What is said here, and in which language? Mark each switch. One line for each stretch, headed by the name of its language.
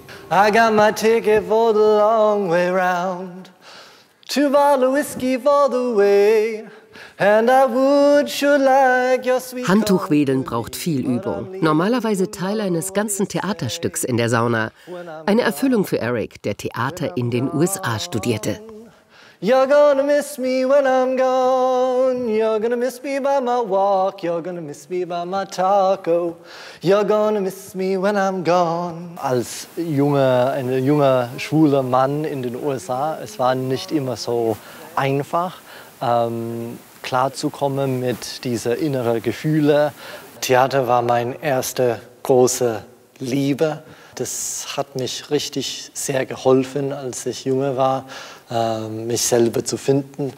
English: I got my ticket for the long way round, two bottle of whiskey for the way, and I would should like your sweet.
German: Handtuchwedeln braucht viel Übung. Normalerweise Teil eines ganzen Theaterstücks in der Sauna. Eine Erfüllung für Eric, der Theater in den USA studierte.
English: You're gonna miss me when I'm gone. You're gonna miss me by my walk. You're gonna miss me by my talk. Oh, you're gonna miss me when I'm gone.
German: Als ein junger schwuler Mann in den USA, es war nicht immer so einfach, klarzukommen mit diesen inneren Gefühlen. Theater war meine erste große Liebe. Das hat mich richtig sehr geholfen, als ich jünger war, mich selber zu finden.